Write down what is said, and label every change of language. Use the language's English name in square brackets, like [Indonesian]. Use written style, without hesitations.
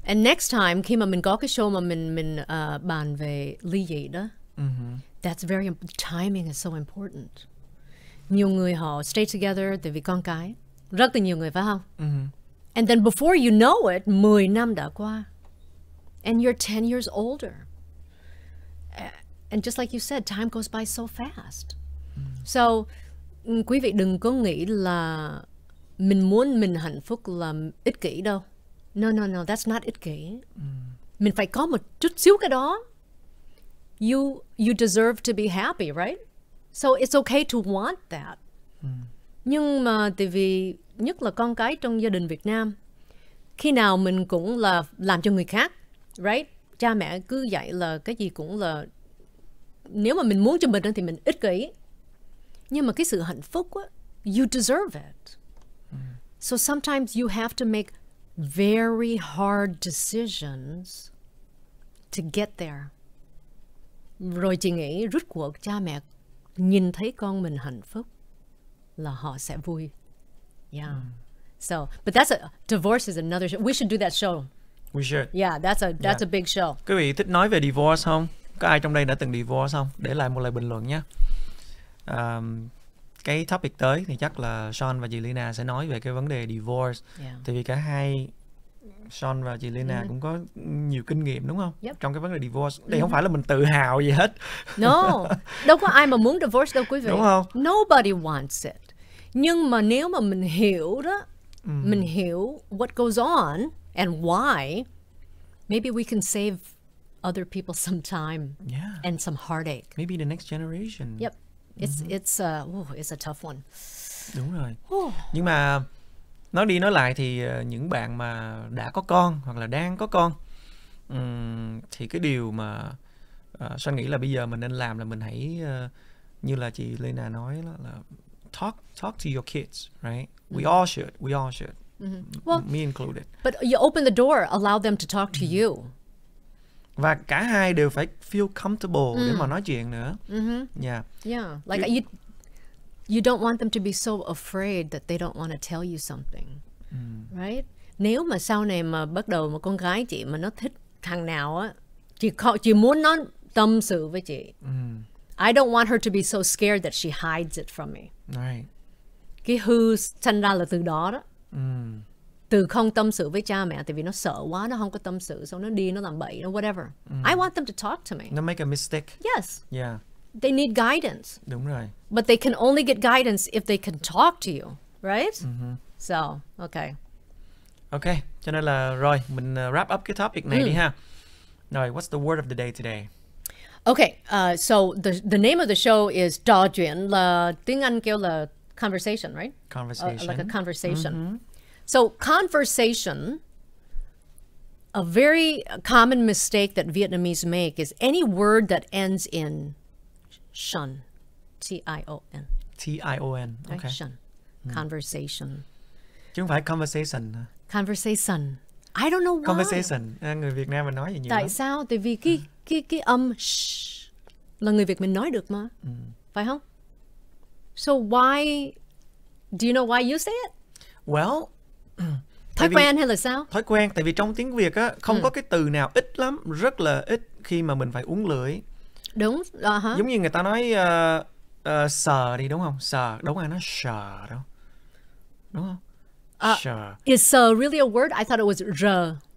[English] And next time [Vietnamese] khi mà mình có cái show mà mình bàn về ly dị đó. Mm-hmm. [English] That's very timing is so important. [Vietnamese] Nhiều người họ stay together tại vì con cái. Rất là nhiều người phải không? Mm-hmm. [English] And then before you know it, [Vietnamese] 10 năm đã qua. [English] And you're 10 years older. And just like you said, time goes by so fast. Mm-hmm. [Vietnamese] So, quý vị đừng có nghĩ là mình muốn mình hạnh phúc là ích kỷ đâu. [English] No, that's not ích kỷ. Mm-hmm. [Vietnamese] Mình phải có một chút xíu cái đó. [English] You deserve to be happy, right? So it's okay to want that. Mm. [Vietnamese] Nhưng mà tại vì nhất là con cái trong gia đình Việt Nam, khi nào mình cũng là làm cho người khác, right? Cha mẹ cứ dạy là cái gì cũng là nếu mà mình muốn cho mình thì mình ích kỷ. Nhưng mà cái sự hạnh phúc á, [English] you deserve it. Mm. So sometimes you have to make very hard decisions to get there. [Vietnamese] Rồi chị nghĩ rút cuộc cha mẹ nhìn thấy con mình hạnh phúc là họ sẽ vui. [English] Yeah. Mm. So, but that's a divorce is another show. We should do that show. We should. Yeah, that's a big show. [Vietnamese] Quý vị thích nói về divorce không? Có ai trong đây đã từng divorce không? Để lại một lời bình luận nhé. Cái topic tới thì chắc là Sean và chị Leyna sẽ nói về cái vấn đề divorce. [English] Yeah. [Vietnamese] Tại vì cả hai Sean và chị Leyna cũng có nhiều kinh nghiệm đúng không? [English] Yep. [Vietnamese] Trong cái vấn đề divorce. Đây không phải là mình tự hào gì hết. No, đâu có ai mà muốn divorce đâu quý vị. Đúng không? [English] Nobody wants it. [Vietnamese] Nhưng mà nếu mà mình hiểu [English] đó, mình hiểu what goes on and why, maybe we can save other people some time and some heartache. Maybe the next generation. Yep. It's a tough one. [Vietnamese] Đúng rồi. Nhưng mà nói đi nói lại thì những bạn mà đã có con hoặc là đang có con thì cái điều mà Sơn nghĩ là bây giờ mình nên làm là mình hãy như là chị Leyna nói là [English] talk to your kids, right? We all should. Mm-hmm. Well, me included. But you open the door, allow them to talk to you. [Vietnamese] Và cả hai đều phải feel comfortable để mà nói chuyện nữa. Mm-hmm. [English] Yeah. Yeah. Like you don't want them to be so afraid that they don't want to tell you something. Mm. Right? [Vietnamese] Nếu mà sau này mà bắt đầu mà con gái chị mà nó thích thằng nào á, chị muốn nó tâm sự với chị. Mm. [English] I don't want her to be so scared that she hides it from me. Right. [Vietnamese] Cái hư sanh ra là từ đó đó. Mm. Từ không tâm sự với cha mẹ, tại vì nó sợ quá, nó không có tâm sự, xong nó đi, nó làm bậy, nó whatever. Mm. [English] I want them to talk to me. They make a mistake. Yes. Yeah. They need guidance. [Vietnamese] Đúng rồi. [English] But they can only get guidance if they can talk to you, right? Mm-hmm. So, okay. [Vietnamese] Okay, cho nên là rồi, mình wrap up cái topic này đi ha. [English] Rồi, what's the word of the day today? Okay, so the name of the show is Đò Chuyện, [Vietnamese] là tiếng Anh kêu là [English] conversation, right? Conversation. Like a conversation. Mm-hmm. So, conversation, a very common mistake that Vietnamese make is any word that ends in Shun, T-I-O-N. T-I-O-N, okay. Shun, conversation. [Vietnamese] Chứ không phải conversation. [English] Conversation. I don't know why. [Vietnamese] Conversation, người Việt Nam mình nói vậy nhiều. Tại sao? Tại vì cái âm sh là người Việt mình nói được mà. Phải không? [English] So why, do you know why you say it? Well, [Vietnamese] thói quen hay là sao? Thói quen, tại vì trong tiếng Việt á, không có cái từ nào ít lắm, rất là ít khi mà mình phải uống lưỡi. Đúng, giống như người ta nói sờ đi đúng không? Sờ, đúng ai nói sờ đâu. Đúng không? Sờ. [English] Is sờ really a word? I thought it was r.